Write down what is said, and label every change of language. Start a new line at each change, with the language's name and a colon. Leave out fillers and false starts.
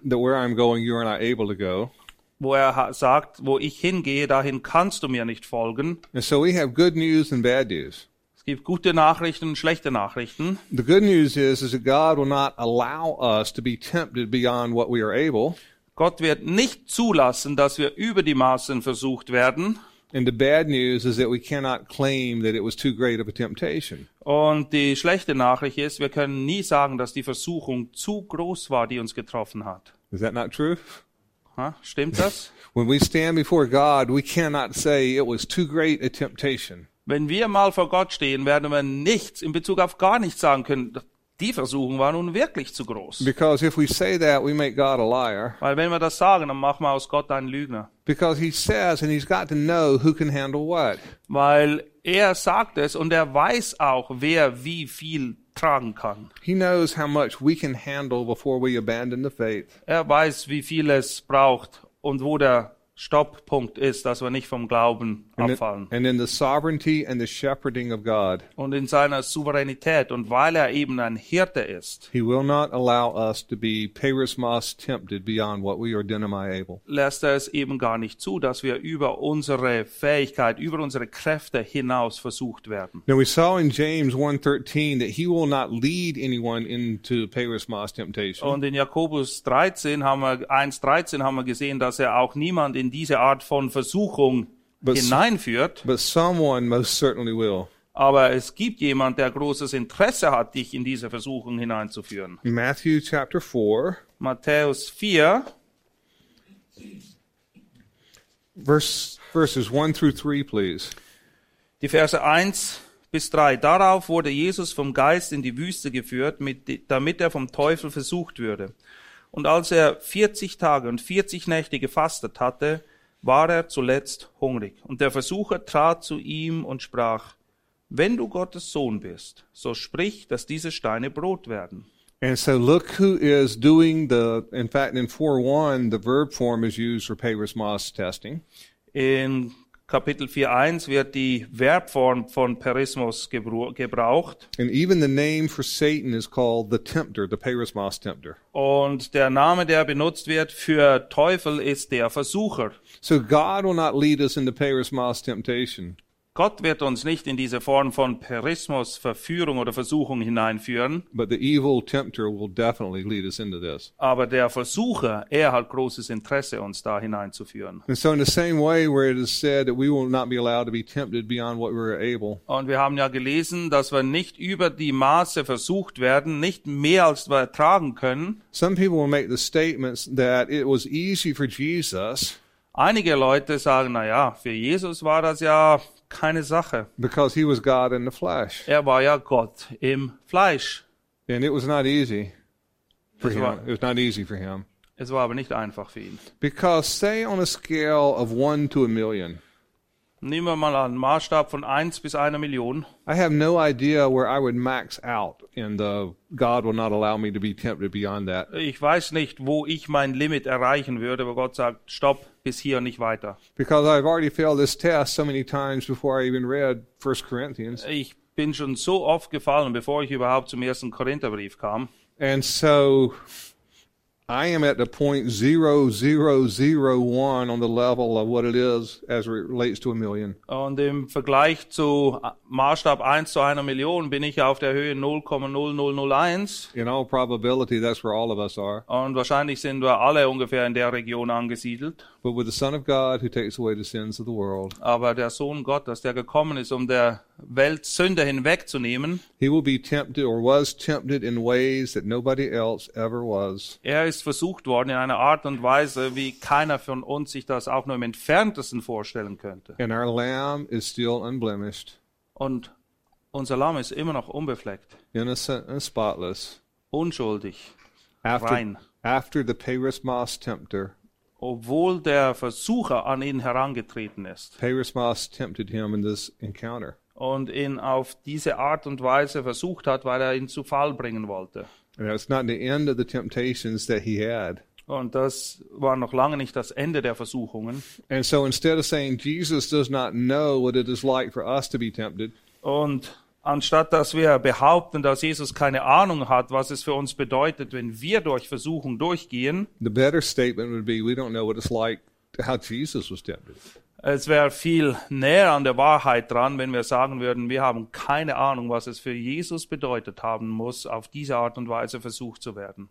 English: That where I'm going, you are not able to go.
German: wo er sagt, wo ich hingehe, dahin kannst du mir nicht folgen.
English: And so we have good news and bad news.
German: Es gibt gute Nachrichten und schlechte Nachrichten.
English: The good news is that God will not allow us to be tempted beyond what we are able.
German: Gott wird nicht zulassen, dass wir über die Maßen versucht werden.
English: And the bad news is that we cannot claim that it was too great of a temptation.
German: Und die schlechte Nachricht ist, wir können nie sagen, dass die Versuchung zu groß war, die uns getroffen hat.
English: Is that not true?
German: Stimmt das?
English: When we stand before God, we cannot say it was too great a temptation.
German: Wenn wir mal vor Gott stehen, werden wir nichts in Bezug auf gar nichts sagen können. Die Versuchung war nun wirklich zu groß.
English: Because if we say that, we make God a liar.
German: Weil wenn wir das sagen, dann machen wir aus Gott einen Lügner.
English: Because he says and he's got to know who can handle what.
German: Weil er sagt es und er weiß auch, wer wie viel tragen kann.
English: He knows how much we can handle before we abandon the faith.
German: Er weiß, wie viel es braucht und wo der Stopppunkt ist, dass wir nicht vom Glauben abfallen.
English: And in the sovereignty and the shepherding of God.
German: Und in seiner Souveränität und weil er eben ein Hirte ist.
English: He will not allow us to be perismos tempted beyond what we are dynamai able.
German: Lässt er es eben gar nicht zu, dass wir über unsere Fähigkeit, über unsere Kräfte hinaus versucht werden.
English: Now we saw in James 1:13 that he will not lead anyone into perismos temptation.
German: Und in Jakobus 13 haben wir gesehen, dass er auch niemand in diese Art von Versuchung hineinführt.
English: But someone most certainly will.
German: Aber es gibt jemand, der großes Interesse hat, dich in diese Versuchung hineinzuführen.
English: Matthew chapter 4,
German: Matthäus 4,
English: verses 1 through 3, please.
German: Die Verse 1 bis 3. Darauf wurde Jesus vom Geist in die Wüste geführt, damit er vom Teufel versucht würde. Und als er 40 Tage und 40 Nächte gefastet hatte, war er zuletzt hungrig. Und der Versucher trat zu ihm und sprach, wenn du Gottes Sohn bist, so sprich, dass diese Steine Brot werden.
English: And so look who is doing the, in fact in 4:1 the verb form is used for perismos testing.
German: In Kapitel 4:1 wird die Verbform von Perismos gebraucht.
English: And even the name for Satan is called the tempter, the perismos tempter.
German: Und der Name, der benutzt wird für Teufel, ist der Versucher.
English: So God will not lead us into perismos temptation.
German: Gott wird uns nicht in diese Form von Perismos Verführung oder Versuchung hineinführen.
English: But the evil tempter will definitely lead us into this.
German: Aber der Versucher, er hat großes Interesse, uns da hineinzuführen.
English: And so in the same way where it is said that we will not be allowed to be tempted beyond what we are able.
German: Und wir haben ja gelesen, dass wir nicht über die Maße versucht werden, nicht mehr als wir ertragen können.
English: Some people will make the statements that it was easy for Jesus.
German: Einige Leute sagen, naja, für Jesus war das ja keine Sache.
English: Because he was God in the flesh.
German: Er war ja Gott im Fleisch.
English: And it was not easy for him. It was not easy for him.
German: Es war aber nicht einfach für ihn.
English: Because say on a scale of 1 to 1 million.
German: Nehmen wir mal einen Maßstab von 1 bis 1 Million.
English: I have no idea where I would max out and God will not allow me to be tempted beyond that.
German: Ich weiß nicht, wo ich mein Limit erreichen würde, wo Gott sagt, stopp, bis hier und nicht weiter.
English: Because I've already failed this test so many times before I even read 1 Corinthians.
German: Ich bin schon so oft gefallen, bevor ich überhaupt zum ersten Korintherbrief kam.
English: And so I am at the point 0.0001 on the level of what it is as it relates to 1 million.
German: Und im Vergleich zu Maßstab 1 zu 1 Million bin ich auf der Höhe 0.0001.
English: In all probability, that's where all of us are.
German: Und wahrscheinlich sind wir alle ungefähr in der Region angesiedelt.
English: But with the Son of God who takes away the sins of the world.
German: Aber der Sohn Gottes, der gekommen ist, um der Welt Sünde hinwegzunehmen.
English: He will be tempted or was tempted in ways that nobody else ever was.
German: Er ist versucht worden in einer Art und Weise, wie keiner von uns sich das auch nur im Entferntesten vorstellen könnte.
English: And our lamb is still unblemished.
German: Und unser Lamm ist immer noch unbefleckt.
English: Innocent and spotless.
German: Unschuldig. Rein.
English: After the perismos tempter.
German: Obwohl der Versucher an ihn herangetreten ist.
English: Perismos tempted him in this encounter.
German: Und ihn auf diese Art und Weise versucht hat, weil er ihn zu Fall bringen wollte.
English: And it's not the end of the temptations that he had.
German: Und das war noch lange nicht das Ende der Versuchungen.
English: And so instead of saying Jesus does not know what it is like for us to be tempted.
German: Und anstatt dass wir behaupten, dass Jesus keine Ahnung hat, was es für uns bedeutet, wenn wir durch Versuchung durchgehen.
English: The better statement would be we don't know what it's like how Jesus was tempted.
German: Es wäre viel näher an der Wahrheit dran, wenn wir sagen würden, wir haben keine Ahnung, was es für Jesus bedeutet haben muss, auf diese Art und Weise versucht zu werden.